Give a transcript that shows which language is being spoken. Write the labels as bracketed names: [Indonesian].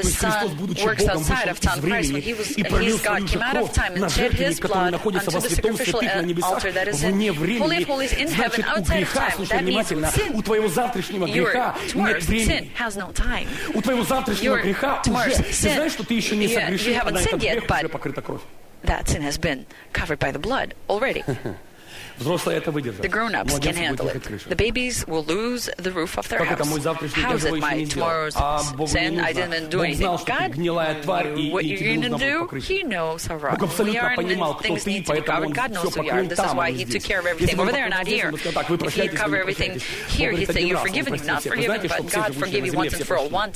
[Russian] То есть Христос, будучи Богом, вышел из времени и пролил свою же кровь на жертвенник, который находится во святом святых на небесах, вне времени. Значит, у греха, слушай внимательно, у твоего завтрашнего греха нет времени. У твоего завтрашнего греха уже, ты знаешь, что ты еще не согрешил, а на этот грех уже покрыта кровь. Взрослые это выдержат. [English] The grown-ups can handle it. The babies will lose the roof of their house. [Russian] Как это мой завтрашний день его еще не сделал? А Богу не нужно. Бог знал, что ты гнилая тварь, и тебе нужно покрыть. Бог абсолютно понимал, кто ты, поэтому он все покрыл там, а не здесь. Если бы он покрыл там, он бы сказал так, вы прощаетесь, вы не прощаетесь. Бог говорит один раз, он простит всех. Вы знаете, что все живущие на земле все прощают.